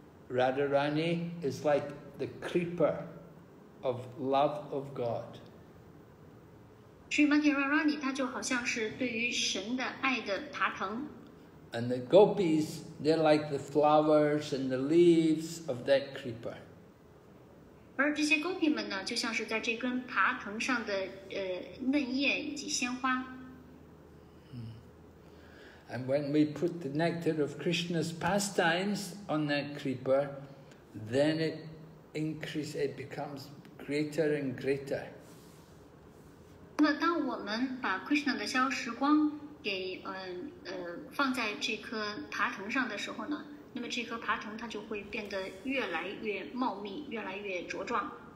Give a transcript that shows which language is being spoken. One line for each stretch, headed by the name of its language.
English: Radharani is like the creeper. Of love of God.
Chinese: Srimati Radharani, 她就好像是对于神的爱的爬藤。
English: And the gopis, they're like the flowers and the leaves of that creeper.
Chinese: 而这些 gopi 们呢，就像是在这根爬藤上的嫩叶以及鲜花。
English: And when we put the nectar of Krishna's pastimes on that creeper, then it increases. It becomes greater and greater.
Chinese: 那么当我们把 Krishna 的消食光给放在这颗爬藤上的时候呢，那么这颗爬藤它就会变得越来越茂密，越来越茁壮。